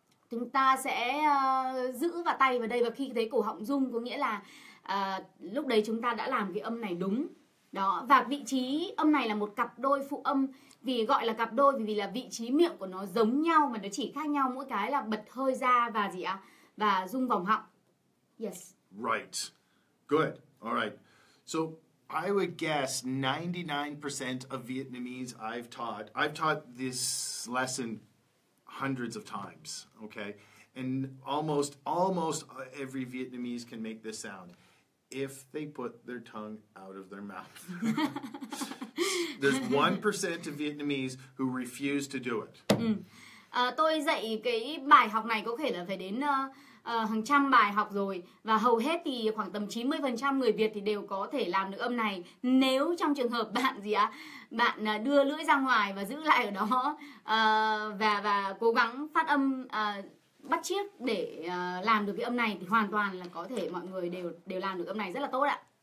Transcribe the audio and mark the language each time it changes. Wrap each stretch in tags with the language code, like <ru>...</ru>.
<vi>Chúng ta sẽ giữ vào tay vào đây, và khi thấy cổ họng rung có nghĩa là lúc đấy chúng ta đã làm cái âm này đúng. Đó, và vị trí âm này là một cặp đôi phụ âm, vì gọi là cặp đôi vì là vị trí miệng của nó giống nhau mà nó chỉ khác nhau mỗi cái là bật hơi ra và gì ạ? Và rung vòng họng.</vi> <en>Yes. Right. Good. All right. So I would guess 99% of Vietnamese I've taught this lesson hundreds of times, okay? And almost every Vietnamese can make this sound if they put their tongue out of their mouth. There's 1% of Vietnamese who refuse to do it.</en> <vi>Tôi dạy cái bài học này có thể là phải đến hàng trăm bài học rồi, và hầu hết thì khoảng tầm 90% người Việt thì đều có thể làm được âm này, nếu trong trường hợp bạn gì ạ, bạn đưa lưỡi ra ngoài và giữ lại ở đó và cố gắng phát âm bắt chiếc để làm được cái âm này, thì hoàn toàn là có thể mọi người đều làm được âm này rất là tốt ạ.</vi>